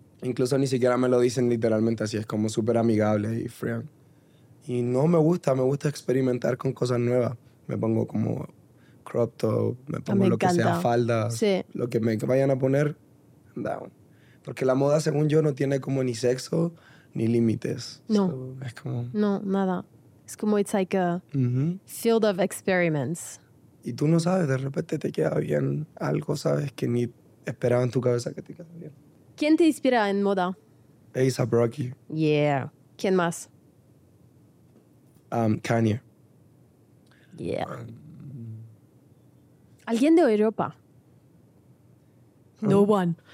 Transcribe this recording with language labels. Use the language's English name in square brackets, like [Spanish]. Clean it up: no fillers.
[Spanish] Incluso ni siquiera me lo dicen literalmente así, es como súper amigable y frío. Y no me gusta experimentar con cosas nuevas. Me pongo como crop top, me pongo me lo encanta. Que sea falda, sí. lo que me vayan a poner, down. Porque la moda, según yo, no tiene como ni sexo ni límites. No. So, es como... No, nada. Es como, [English] it's like a field of experiments. [Spanish] Y tú no sabes, de repente te queda bien algo, sabes, que ni esperaba en tu cabeza que te queda bien. ¿Quién te inspira en moda? A$AP Rocky. Yeah. ¿Quién más? Kanye. Yeah. ¿Alguien de Europa? [English] No one.